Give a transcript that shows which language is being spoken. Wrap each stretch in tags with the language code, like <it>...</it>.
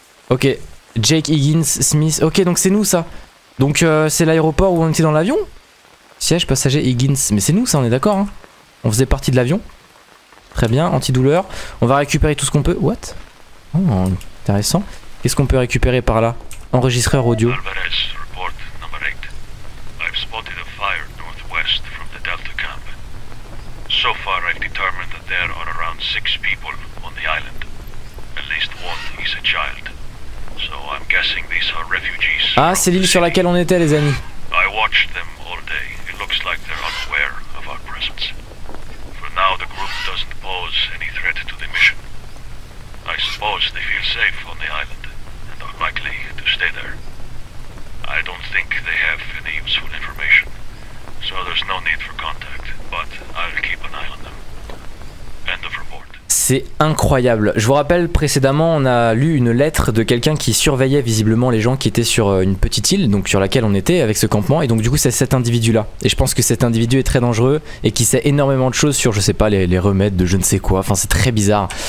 <fr>Ok, Jake Higgins, Smith. Ok, donc c'est nous, ça. Donc c'est l'aéroport où on était dans l'avion. Siège, passager, Higgins. Mais c'est nous, ça, on est d'accord, hein. On faisait partie de l'avion. Très bien, antidouleur. On va récupérer tout ce qu'on peut.</fr> <en>What?</en> <fr>Oh, intéressant. Qu'est-ce qu'on peut récupérer par là? Enregistreur audio.</fr> <en>Alvarez, report number 8. I've spotted a fire northwest from the Delta camp. So far, I've determined that there are around 6 people on the island. At least one is a child. So I'm guessing these are refugees.</en> <fr>Ah, c'est l'île sur laquelle on était, les amis.</fr> <en>I watched them all day. It looks like they're unaware of our presence. For now, the group doesn't pose any threat to the mission. I suppose they feel safe on the island. Likely to stay there. I don't think they have any useful information, so there's no need for contact, but I'll keep an eye on them. End of report.</en> <fr>C'est incroyable. Je vous rappelle, précédemment, on a lu une lettre de quelqu'un qui surveillait visiblement les gens qui étaient sur une petite île, donc sur laquelle on était avec ce campement, et donc du coup c'est cet individu-là. Et je pense que cet individu est très dangereux et qui sait énormément de choses sur, je sais pas, les remèdes de je ne sais quoi. Enfin, c'est très bizarre.</fr>